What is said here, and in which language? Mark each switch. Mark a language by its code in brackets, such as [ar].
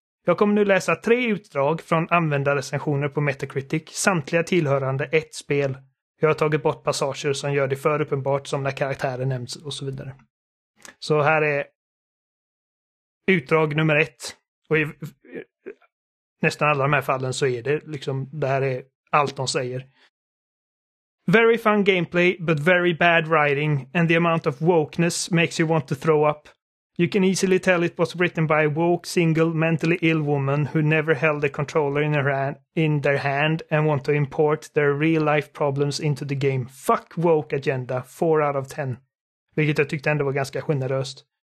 [sv] Jag kommer nu läsa tre utdrag från användarrecensioner på Metacritic, samtliga tillhörande ett spel. Jag har tagit bort passager som gör det för uppenbart som när karaktären nämns och så vidare. Så här är utdrag nummer ett. Och i nästan alla de här fallen så är det liksom, det här är allt de säger. [en] Very fun gameplay, but very bad writing, and the amount of wokeness makes you want to throw up. You can easily tell it was written by a woke, single, mentally ill woman who never held a controller in their hand and want to import their real-life problems into the game. Fuck woke agenda. 4 out of 10. [sv] Vilket jag tyckte ändå var ganska generöst.